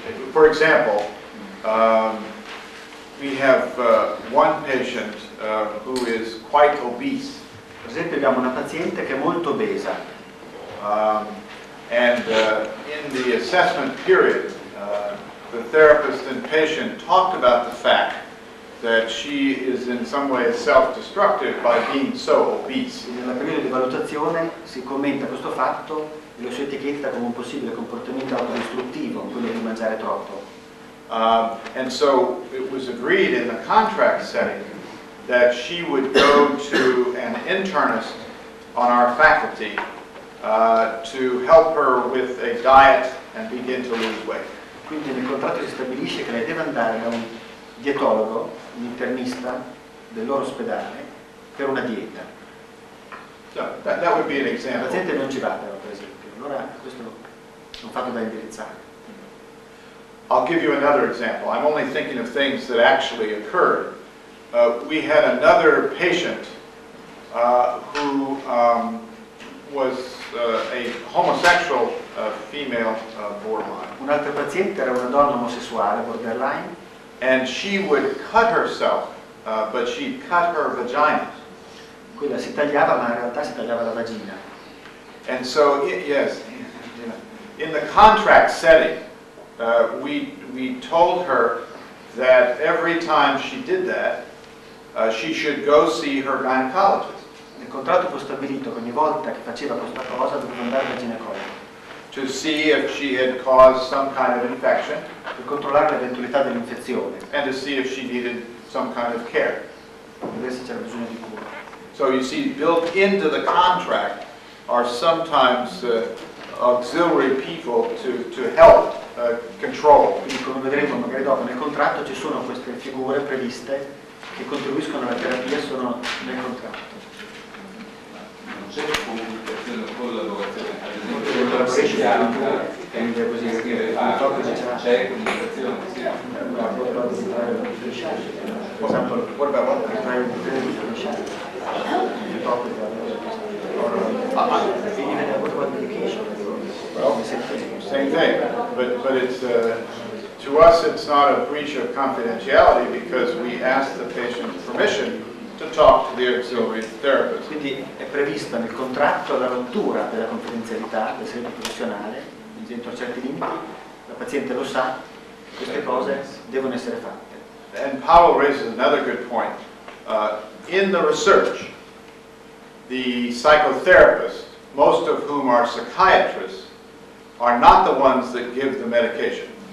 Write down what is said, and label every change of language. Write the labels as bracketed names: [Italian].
[English] For example, we have one patient who is quite obese. [Italian] Per esempio abbiamo una paziente che è molto obesa. [English] In the assessment period, the therapist and patient talked about the fact that she is in some way self-destructive by being so obese. [Italian] Nella periodo di valutazione si commenta questo fatto e lo si etichetta come un possibile comportamento autodistruttivo, quello di mangiare troppo. [English] And so it was agreed in the contract setting that she would go to an internist on our faculty to help her with a diet and begin to lose weight. [Italian] Quindi nel contratto si stabilisce che lei deve andare da un dietologo, un internista del loro ospedale per una dieta. [English] So, that would be an example. [Italian] La paziente non ci va però, per esempio. Allora questo è un fatto da indirizzare. [English] I'll give you another example. I'm only thinking of things that actually occurred. We had another patient who was a homosexual female borderline. [Italian] Un'altra paziente era una donna omosessuale borderline. [English] And she would cut herself, but she cut her vagina. [Italian] Quella si tagliava, ma in realtà si tagliava la vagina. [English] And so, yes, in the contract setting, we told her that every time she did that, she should go see her gynecologist. [Italian] Nel contratto fu stabilito che ogni volta che faceva questa cosa doveva andare dal ginecologo. [English] To see if she had caused some kind of infection. [Italian] Per controllare l'eventualità dell'infezione. [English] And to see if she needed some kind of care. [Italian] Per vedere se c'era bisogno di cura. [English] So you see, built into the contract are sometimes auxiliary people to help control. [Italian] Quindi come vedremo magari dopo nel contratto ci sono queste figure previste che contribuiscono alla terapia sono nel contratto. Non c'è comunicazione o collaborazione, ad esempio, con la psichiatra, tende così a scrivere, c'è comunicazione, [English] same thing, but it's to us it's not a breach of confidentiality because we ask the patient permission to talk to the auxiliary therapist. [Italian] Quindi è prevista nel contratto la rottura della confidenzialità del servizio professionale dentro certi limiti. La paziente lo sa, queste cose devono essere fatte. [English] And Paolo raises another good point. In the research, the psychotherapists, most of whom are psychiatrists, are not the ones that give the medication.